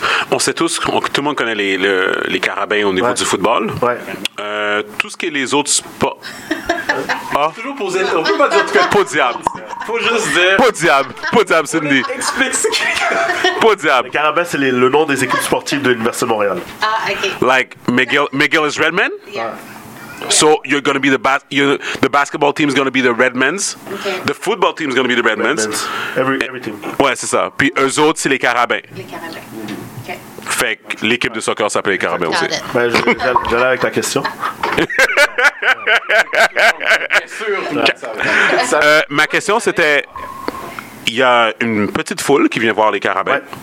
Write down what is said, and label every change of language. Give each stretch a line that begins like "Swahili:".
French: On sait tous, tout le monde connaît les Carabins au niveau, ouais, du football. Ouais. Tout ce que les autres sports. Ah. Toujours posé. On peut pas dire tout que. Pas diable. Faut juste dire. Pas diable. Pas diable, Cindy. Explique. Pas diable. Les Carabins, c'est le nom des équipes sportives de l'Université de Montréal. Ah, OK.
English: Like McGill is Redmen? Yeah.
French: Ouais.
English: So you're gonna be the basketball team is gonna be the Redmans. Okay. The football team is gonna be the Redmans. Every team.
French: Ouais, c'est ça. Puis eux autres, c'est les Carabins. Les Carabins. Okay. Fait que l'équipe de soccer s'appelle les Carabins aussi. Ben, j'allais avec ta question. ma question, c'était, il y a une petite foule qui vient voir les Carabins.